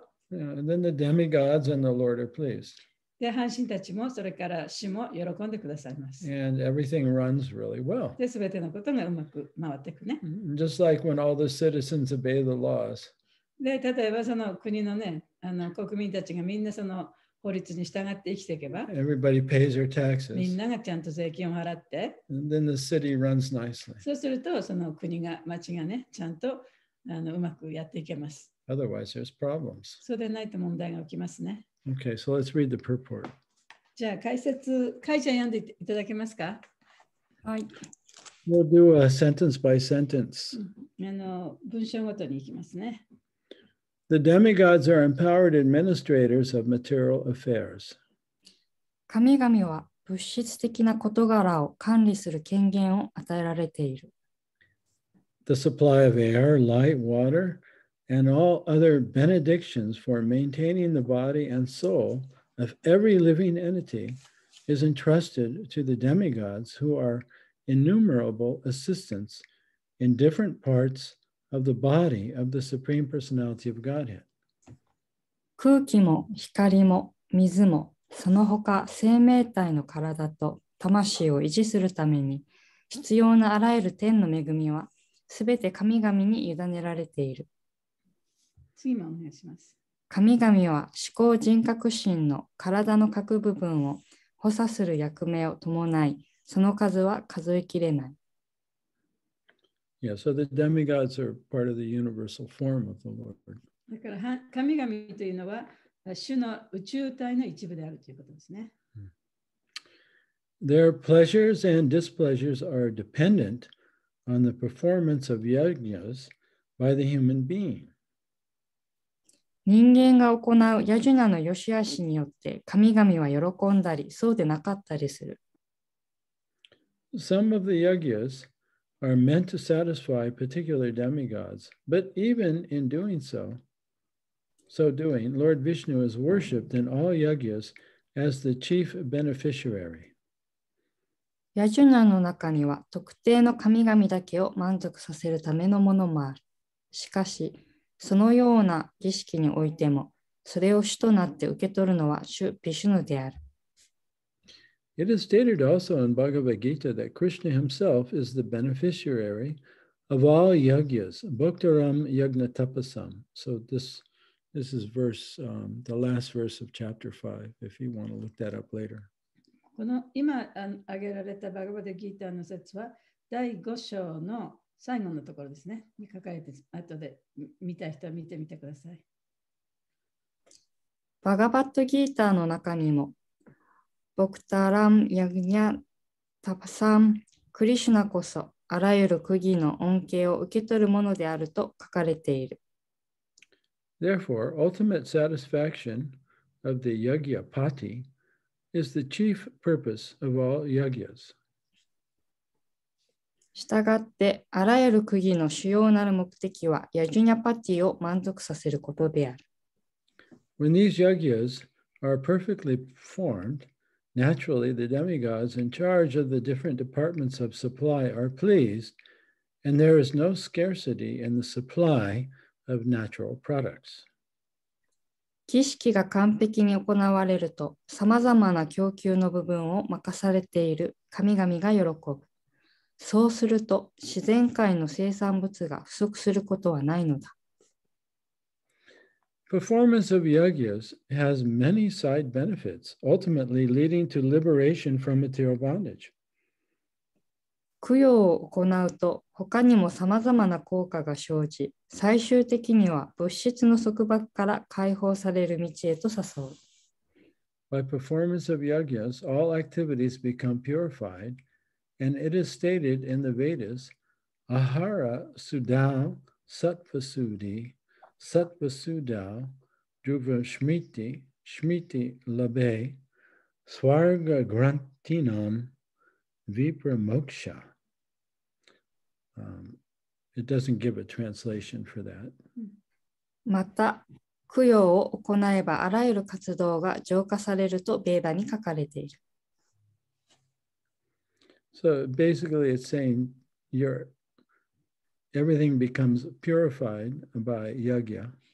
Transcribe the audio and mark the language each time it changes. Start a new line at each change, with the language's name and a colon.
English: And then the demigods and the Lord are pleased.
Japanese: で、半神たちもそれから主も喜んでくださいます。
English: And everything runs really well.
Japanese: で、全てのことがうまく回っていくね。
English: Just like when all the citizens obey the laws.
Japanese: で、例えばその国のね、国民たちがみんなその法律に従って生きていけば、
English: Everybody pays their taxes.
Japanese: みんながちゃんと税金を払って、
English: And then the city runs nicely.
Japanese: そうするとその国が町がね、ちゃんとうまくやっていけます。
English: Otherwise, there's problems.
Japanese: そうでないと問題が起きますね。
English: Okay, so let's read the purport.
Japanese: じゃあ解説、解者読んでいただけますか？はい。
English: We'll do a sentence by sentence.
Japanese: 文章ごとにいきますね。
English: The demigods are empowered administrators of material affairs.
Japanese: 神々は物質的な事柄を管理する権限を与えられている。
English: The supply of air, light, water, and all other benedictions for maintaining the body and soul of every living entity is entrusted to the demigods who are innumerable assistants in different parts of the body of the Supreme Personality of Godhead.
Japanese: 空気も光も水もその他生命体の体と魂を維持するために必要なあらゆる天の恵みはすべて神々に委ねられている。次もお願いします。神々は思考人格心の体の各部分を補佐する役目を伴い、その数は数えきれない。
English: Yeah, so the demigods are part of the universal form of the Lord.
Japanese: だから神々というのは主の宇宙体の一部であるということですね。
English: Their pleasures and displeasures are dependent on the performance of yajnas by the human being.
Japanese: 人間が行うヤジュナの良し悪しによって神々は喜んだりそうでなかったりする。
English: Some of the yajnas are meant to satisfy particular demigods, but even in doing so, Lord Vishnu is worshipped in all yajnas as the chief beneficiary.
Japanese: ヤジュナの中には特定の神々だけを満足させるためのものもある。しかし、そのような儀式においても、それを主となって受け取るのは主ヴィシュヌである。
English: It is stated also in Bhagavad Gita that Krishna himself is the beneficiary of all yajnas,
Sanskrit: bhaktaram yajna tapasam.
English: So this is the last verse of chapter 5, if you want to look that up later.
Japanese: この今挙げられたバガヴァッド・ギーターの説は第5章の最後のところですね。に書かれて、後で見たい人は見てみてください。バガヴァッド・ギーターの中にも、
Sanskrit: ボクタラム・ヤグニャ・タパサン・
Japanese: クリシュナこそあらゆる苦義の恩恵を受け取るものであると書かれている。
English: Therefore, ultimate satisfaction of the yajna pati is the chief purpose of all yajnas.
Japanese: したがって、あらゆる苦義の主要なる目的はヤジュニャパティを満足させることである。
English: When these yajnas are perfectly performed,Naturally, the demigods in charge of the different departments of supply are pleased, and there is no scarcity in the supply of natural products.
Japanese: 儀式が完璧に行われると、さまざまな供給の部分を任されている神々が喜ぶ。そうすると、自然界の生産物が不足することはないのだ。
English: Performance of yajnas has many side benefits, ultimately leading to liberation from material bondage.
Japanese: 供養を行うと、他にもさまざまな効果が生じ、最終的には物質の束縛から解放される道へと誘う。
English: By performance of yajnas, all activities become purified, and it is stated in the Vedas,
Sanskrit: Ahara Sudha Satvasudhi. Satvasudha, Dhruva Shmiti, Shmiti Labe, Swarga Grantinam, Vipra Moksha.
English: It doesn't give a translation for that.
Japanese: また、供養を行えばあらゆる活動が浄化されるとベーダに書かれている。
English: So basically it's saying everything becomes purified by yajna.